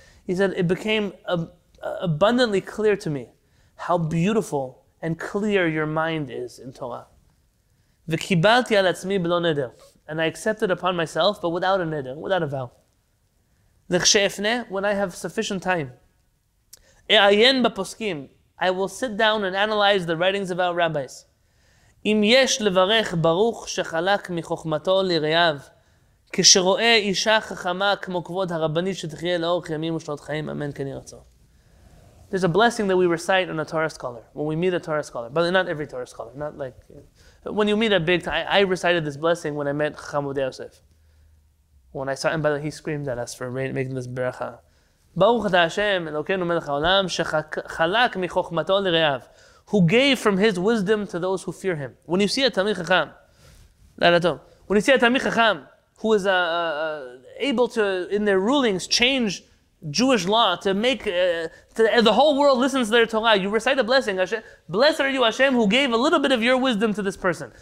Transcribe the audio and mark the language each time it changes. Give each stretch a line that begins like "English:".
English: He said, it became abundantly clear to me how beautiful and clear your mind is in Torah.
Hebrew: וקיבלתי על עצמי בלא נדר.
English: And I accepted upon myself, but without a neder, without a vow.
Hebrew: לכשאפנה,
English: when I have sufficient time.
Hebrew: אעיין בפוסקים.
English: I will sit down and analyze the writings of our rabbis.
Hebrew: אם יש לברך ברוך שחלק מחוכמתו לראיו, כשרואה אישה חכמה כמו כבוד הרבנית שתחיה לאורך ימים ושנות חיים, אמן כן יהי רצון.
English: There's a blessing that we recite on a Torah scholar, when we meet a Torah scholar, but not every Torah scholar, not like, when you meet a big, I recited this blessing when I met Chacham Avdei Yosef. When I saw him, by the way, he screamed at us for making this beracha.
Hebrew: ברוך אתה השם, אלוקינו מלך העולם, שחלק מחוכמתו לראיו.
English: Who gave from his wisdom to those who fear him. When you see a Talmid Chacham, when you see a Talmid Chacham, who is able to, in their rulings, change Jewish law, to make the whole world listen to their Torah, you recite a blessing. Hashem, blessed are you, Hashem, who gave a little bit of your wisdom to this person.